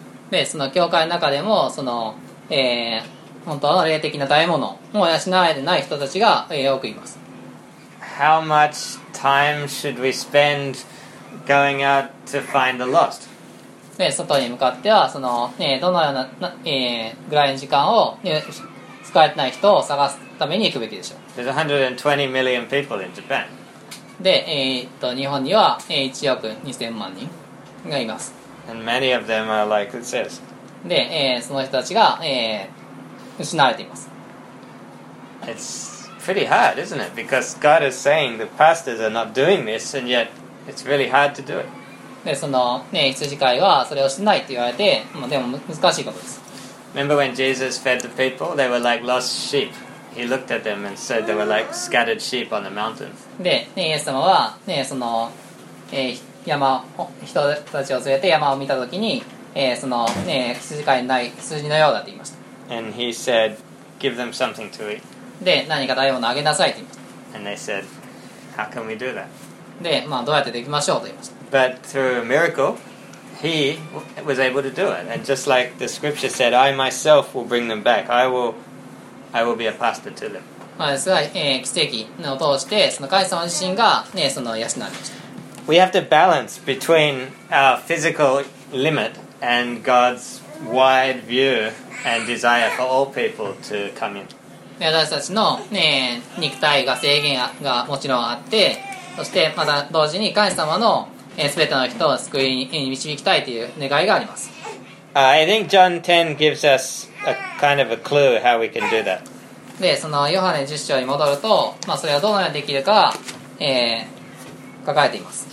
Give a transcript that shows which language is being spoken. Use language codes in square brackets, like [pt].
[ja] で、その教会の中でも、その、本当の霊的な食べ物を養われてない人たちが、多くいます。 [en] How much time should we spend going out to find the lost? [ja] で、外に向かっては、その、どのような、ぐらいの時間を、使えてない人を探すために行くべきでしょう。 [en] There's 120 million people in Japan. [ja] で、日本には1億2000万人がいます。 [en] And many of them are like it says. [ja] で、その人たちが、失われています。 [en] It's pretty hard, isn't it? Because God is saying the pastors are not doing this, and yet it's really hard to do it. [ja] で、その、羊飼いはそれをしないって言われて、でも難しいことです。 [en] Remember when Jesus fed the people? They were like lost sheep. he looked at them and said there were like scattered sheep on the mountains. [ja] で、ね、イエス様は、ね、その、山、人たちを連れて山を見たときに、その、ね、羊飼いのない羊のようだと言いました。 [en] And he said, give them something to eat. [ja] で、何か食べ物をあげなさいと言いました。 [en] And they said, how can we do that? [ja] で、まあ、どうやってできましょうと言いました。 [en] But through a miracle, he was able to do it. And just like the scripture said, I myself will bring them back. I will be a pastor to them. [ja] まあですが、奇跡を通して、その神様自身が、ね、その養われました。 [en] We have to balance between our physical limit and God's wide view and desire for all people to come in. [ja] 私たちの、ね、肉体が制限がもちろんあって、そしてまた同時に神様の、全ての人を救いに導きたいという願いがあります。 [en] I think John 10 gives us a kind of a clue how we can do that. [ja] で、そのヨハネ10章に戻ると、まあ、それはどのようにできるか、書かれています。